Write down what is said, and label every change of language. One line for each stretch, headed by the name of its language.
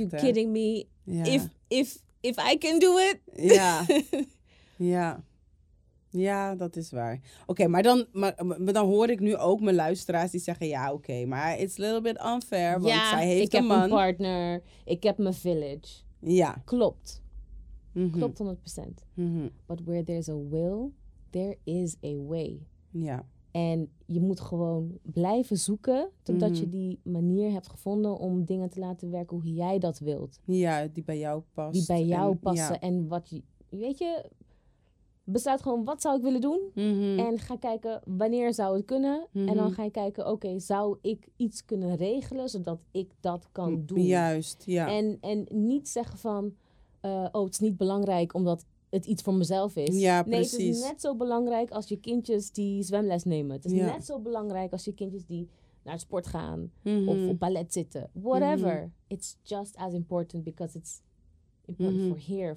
English: you kidding me? Ja. If I can do it.
Dutch: Ja. Ja. Ja, dat is waar. Oké, maar dan hoor ik nu ook mijn luisteraars die zeggen... Ja, oké, maar
English: it's a little bit unfair,
Dutch: want ja, zij heeft een man. Ik heb een partner, ik heb mijn village. Ja. Klopt. Mm-hmm. Klopt 100%. Mm-hmm.
English: But where there's a will, there is a way.
Dutch: Ja. En je moet gewoon blijven zoeken totdat je die manier hebt gevonden om dingen te laten werken hoe jij dat wilt. Ja, die bij jou past. Die bij jou en, passen. Ja. En wat je, weet je, besluit gewoon wat zou ik willen doen. Mm-hmm. En ga kijken wanneer zou het kunnen. Mm-hmm. En dan ga je kijken, oké, zou ik iets kunnen regelen zodat ik dat kan doen. Juist, ja. En niet zeggen van, het is niet belangrijk omdat... het iets voor mezelf is. Ja, nee, het is net zo belangrijk als je kindjes die zwemles nemen. Het is net zo belangrijk als je kindjes die naar het sport gaan. Mm-hmm. Of op ballet zitten. Whatever. Mm-hmm.
English: It's just as important because it's important for here.